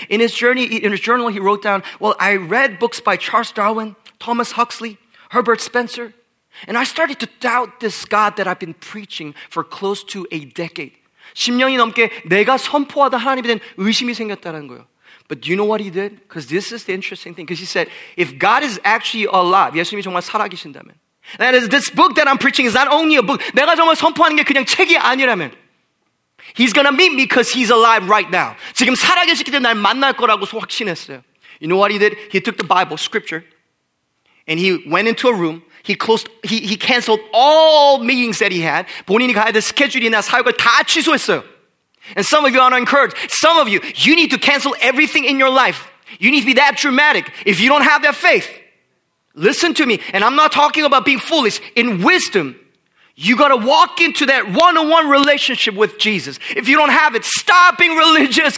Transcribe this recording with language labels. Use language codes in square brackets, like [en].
[en] In his journal, he wrote down, well, I read books by Charles Darwin, Thomas Huxley, Herbert Spencer, and I started to doubt this God that I've been preaching for close to a decade. [ko] 10년이 넘게 내가 선포하던 하나님에 대한 의심이 생겼다는 거예요. [en] But do you know what he did? Because this is the interesting thing. Because he said, if God is actually alive, [ko] 예수님이 정말 살아계신다면, [en] that is, this book that I'm preaching is not only a book, [ko] 내가 정말 선포하는 게 그냥 책이 아니라면, [en] He's gonna meet me because he's alive right now. [ko] 지금 살아계시기 때문에 날 만날 거라고 확신했어요. [en] You know what he did? He took the Bible, scripture, and he went into a room. He canceled all meetings that he had. [ko] 본인이 가야 될 스케줄이나 사역을 다 취소했어요. [en] And some of you are encouraged. Some of you, you need to cancel everything in your life. You need to be that dramatic. If you don't have that faith, listen to me. And I'm not talking about being foolish. In wisdom, you got to walk into that one-on-one relationship with Jesus. If you don't have it, stop being religious.